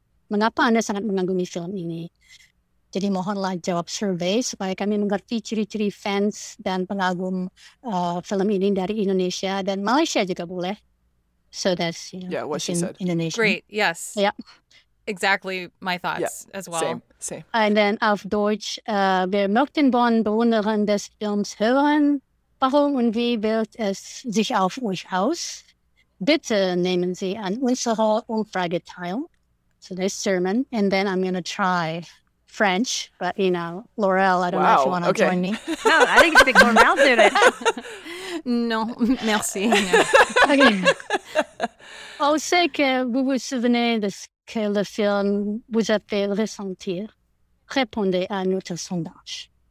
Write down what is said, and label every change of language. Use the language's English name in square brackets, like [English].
[Indonesian] Mengapa Anda sangat mengagumi film ini? Jadi mohonlah jawab survei supaya kami mengerti ciri-ciri fans dan pengagum film ini dari Indonesia dan Malaysia juga boleh. [English] So that's, you know, yeah, what she said. Indonesian. Great, yes. Yeah. exactly my thoughts as well. Same. And then [German] auf Deutsch, wir möchten von Bewunderern des Films hören, warum und wie wählt es sich auf euch aus? Bitte nehmen Sie an unserer Umfrage teil. [English] So this sermon. And then I'm going to try French, but you know, Laurel, I don't know if you want to join me. No, I think it's a big one around there. [French] Non, merci. On sait que vous vous souvenez de ce que le film vous a fait ressentir. Répondez à notre sondage.